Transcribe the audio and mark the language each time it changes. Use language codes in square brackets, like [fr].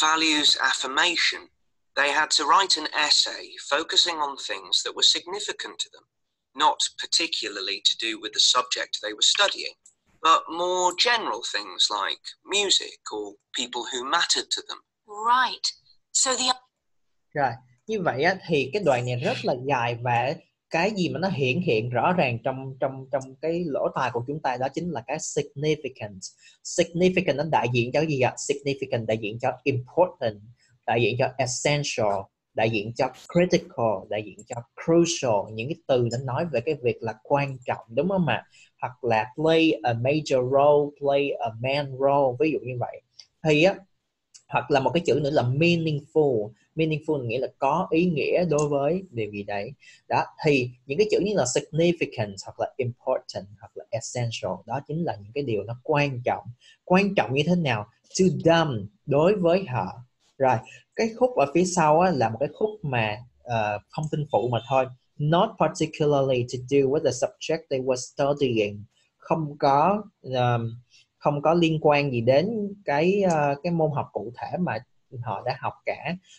[en] Values affirmation. They had to write an essay focusing on things that were significant to them, not particularly to do with the subject they were studying, but more general things like music or people who mattered to them. Right. So the... Right. [vi] Như vậy á, thì cái đoạn này rất là dài và cái gì mà nó hiện rõ ràng trong cái lỗ tai của chúng ta đó chính là cái significant. Significant nó đại diện cho gì ạ? Significant đại diện cho important, đại diện cho essential, đại diện cho critical, đại diện cho crucial. Những cái từ nó nói về cái việc là quan trọng, đúng không ạ? Hoặc là [en] play a major role, play a main role, [vi] ví dụ như vậy. Thì á, hoặc là một cái chữ nữa là meaningful. Meaningful nghĩa là có ý nghĩa đối với điều gì đấy. Đó, thì những cái chữ như là significant hoặc là important hoặc là essential, đó chính là những cái điều nó quan trọng. Quan trọng như thế nào? [en] To them, [vi] đối với họ. Rồi, cái khúc ở phía sau á, là một cái khúc mà thông tin phụ mà thôi. [en] Not particularly to do with the subject they were studying. [vi] Không có liên quan gì đến cái môn học cụ thể mà họ đã học cả.